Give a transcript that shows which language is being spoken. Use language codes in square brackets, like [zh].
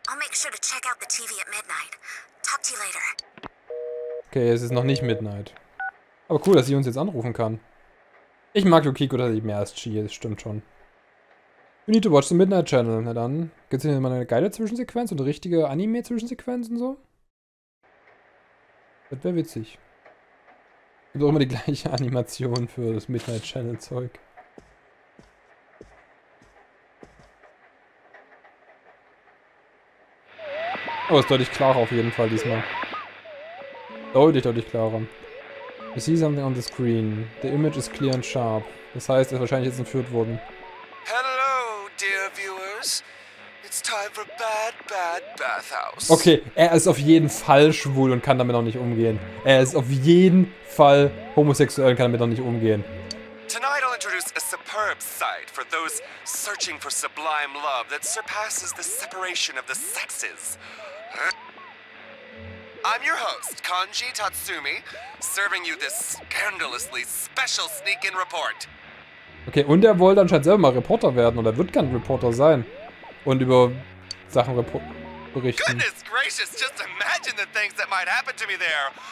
[en] I'll make sure to check out the TV at midnight. Talk to you later. [de] Okay, es ist noch nicht Midnight. Aber cool, dass sie uns jetzt anrufen kann. Ich mag Yukiko tatsächlich mehr als Chie, das stimmt schon. [en] You need to watch the Midnight Channel. [de] Na dann, gibt's hier mal eine geile Zwischensequenz und eine richtige Anime-Zwischensequenz und so? Das wäre witzig. Gibt auch immer die gleiche Animation für das Midnight Channel-Zeug. Oh, ist deutlich klarer auf jeden Fall diesmal. Deutlich, deutlich klarer. [en] I see something on the screen. The image is clear and sharp. [de] Das heißt, er ist wahrscheinlich jetzt entführt worden. [en] Hello, dear viewers. It's time for bad, bad bathhouse. [de] Okay, er ist auf jeden Fall schwul und kann damit noch nicht umgehen. Er ist auf jeden Fall homosexuell und kann damit noch nicht umgehen. [en] Tonight I'll introduce a superb sight for those searching for sublime love that surpasses the separation of the sexes. I'm your host, Kanji Tatsumi, serving you this scandalously special sneak-in report. [de] Okay, und er wollte anscheinend selber mal Reporter werden oder wird kein Reporter sein und über Sachen berichten. [en] Goodness gracious, just imagine the things that might happen to me there.